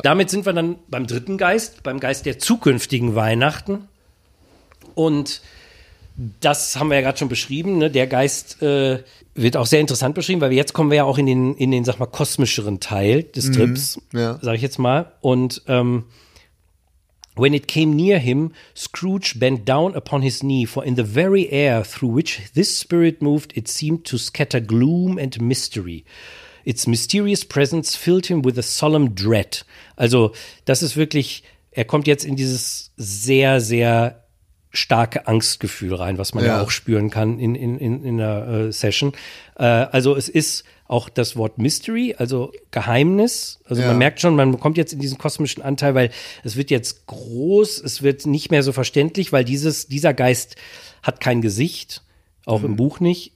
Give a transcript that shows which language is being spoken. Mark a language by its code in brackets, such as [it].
[de] Damit sind wir dann beim dritten Geist, beim Geist der zukünftigen Weihnachten. Und das haben wir ja gerade schon beschrieben. Ne? Der Geist wird auch sehr interessant beschrieben, weil jetzt kommen wir ja auch in den sag mal, kosmischeren Teil des Trips, sage ich jetzt mal. [en] Und when it came near him, Scrooge bent down upon his knee, for in the very air through which this spirit moved, it seemed to scatter gloom and mystery. Its mysterious presence filled him with a solemn dread. [de] Also das ist wirklich, er kommt jetzt in dieses sehr, sehr starke Angstgefühl rein, was man ja auch spüren kann in der Session. Also es ist auch das Wort Mystery, also Geheimnis. Also man merkt schon, man kommt jetzt in diesen kosmischen Anteil, weil es wird jetzt groß, es wird nicht mehr so verständlich, weil dieser Geist hat kein Gesicht, auch im Buch nicht.